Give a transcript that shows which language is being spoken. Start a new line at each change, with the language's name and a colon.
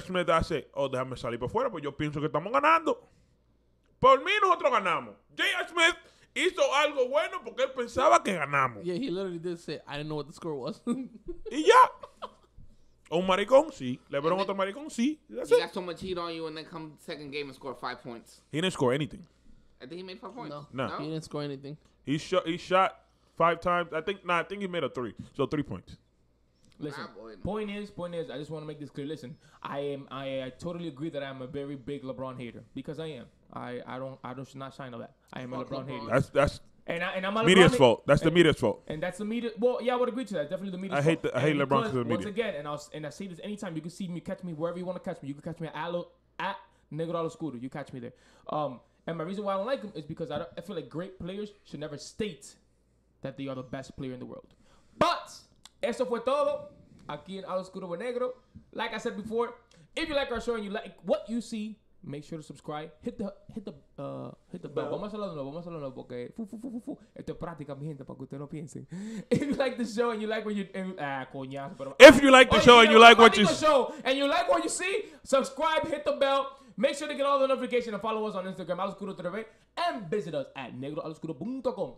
Spanish: Smith hace, oh, déjame salir por fuera, pues yo pienso que estamos ganando. Por mí nosotros ganamos. J.R. Smith hizo algo bueno porque él pensaba que ganamos.
English: Yeah, he literally did say, I didn't know what the score was.
Spanish: Y ya. Un maricón, sí. LeBron otro maricón, sí.
English: That's he it. Got so much heat on you and then come second game and score 5 points. He didn't score anything. I think he made 5 points. No. He didn't score anything. He shot 5 times. I think he made a 3. So 3 points. Listen, point is, I just want to make this clear. Listen, I totally agree that I'm a very big LeBron hater because I am. I don't shine on that. I am a LeBron hater. That's the media's fault. That's the media's fault. And that's the media. Well, yeah, I would agree to that. Definitely the media's fault. I hate LeBron because of the media. Once again, I say this anytime. You can see me, catch me wherever you want to catch me. You can catch me at Negro Oscuro. You catch me there. And my reason why I don't like him is because I feel like great players should never state that they are the best player in the world.
Spanish: But eso fue todo aquí en Oscuro with Negro.
English: Like I said before, if you like our show and you like what you see, make sure to subscribe.
Spanish: Hit the bell. Vamos a hablar de nuevo. Porque fu. Esto es práctica, mi gente, para que ustedes no piensen.
English: If you like the show and you like what you...
Spanish: coñazo. Pero,
English: if you like the show and you like what you... show and you like what you see, subscribe, hit the bell. Make sure to get all the notifications and follow us on Instagram, AloscuroTV, and visit us at negroaloscuro.com.